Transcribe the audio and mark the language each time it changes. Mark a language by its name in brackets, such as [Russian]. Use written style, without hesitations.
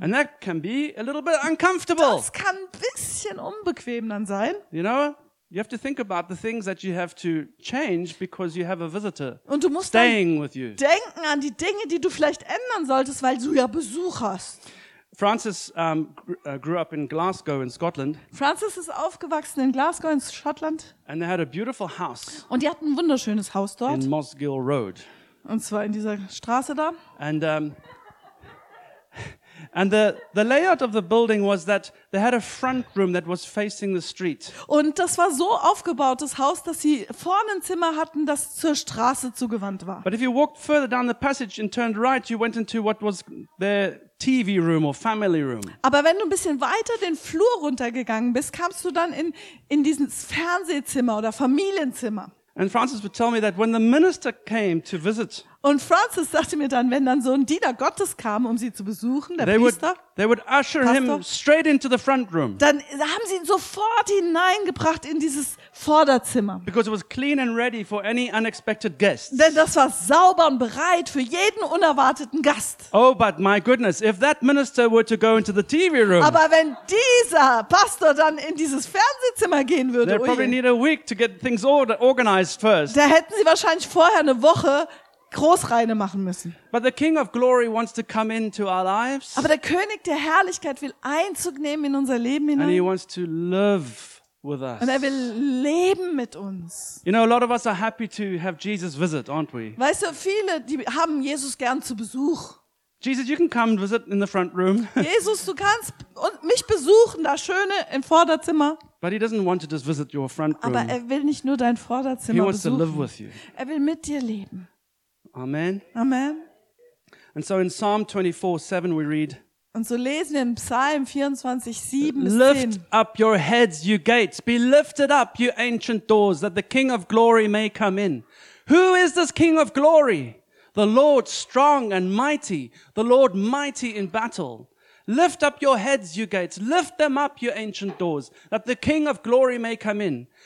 [English] And that can be a little bit uncomfortable. [German] Das kann ein bisschen unbequem dann sein. [English] You know, you have to think about the things that you have to change because you have a visitor. [German] Und du musst [English] staying with you. [German] Denken an die Dinge, die du vielleicht ändern solltest, weil du ja Besuch hast. [English] Francis grew up in Glasgow in Scotland. [German] Francis ist aufgewachsen in Glasgow in Schottland. [English] And they had a beautiful house. [German] Und die hatten ein wunderschönes Haus dort. [English] In Mossgiel Road. [German] Und zwar in dieser Straße da. [English] And the layout of the building was that they had a front room that was facing the street. [German] Und das war so aufgebaut, das Haus, dass sie vorne ein Zimmer hatten, das zur Straße zugewandt war. [English] But if you walked further down the passage and turned right, you went into what was their TV room or family room. [German] Aber wenn du ein bisschen weiter den Flur runtergegangen bist, kamst du dann in dieses Fernsehzimmer oder Familienzimmer. [English] And Francis would tell me that when the minister came to visit. [German] Und Francis sagte mir dann, wenn dann so ein Diener Gottes kam, um sie zu besuchen, der Priester. [English] They would usher [German] Pastor, [English] him straight into the front room. [German] Dann haben sie ihn sofort hineingebracht in dieses Vorderzimmer. [English] Because it was clean and ready for any unexpected guests. [German] Denn das war sauber und bereit für jeden unerwarteten Gast. [English] Oh, but my goodness, if that minister were to go into the TV room. [German] Aber wenn dieser Pastor dann in dieses Fernsehzimmer gehen würde, [English] they'd probably need a week to get things organized first. [German] Da hätten sie wahrscheinlich vorher eine Woche Großreine machen müssen. [English] But the King of Glory wants to come into our lives. [German] Aber der König der Herrlichkeit will Einzug nehmen in unser Leben hinein. [English] And he wants to live with us. [German] Und er will leben mit uns. [English] You know, a lot of us are happy to have Jesus visit, aren't we? [German] Weißt du, viele, die haben Jesus gern zu Besuch. [English] Jesus, you can come and visit in the front room. [German] Jesus, du kannst mich besuchen, da schöne im Vorderzimmer. [English] But he doesn't want to just visit your front room. [German] Aber er will nicht nur dein Vorderzimmer besuchen. [English] He wants to live with you. [German] Er will mit dir leben. [English] Amen. [German] Amen. [English] And so in Psalm 24:7 we read. [German] Und so lesen wir in Psalm 24:7. [English] Lift up your heads, you gates. Be lifted up, you ancient doors, that the King of Glory may come in. Who is this King of Glory? The Lord strong and mighty. The Lord mighty in battle. Lift up your heads, you gates. Lift them up, you ancient doors, that the King of Glory may come in.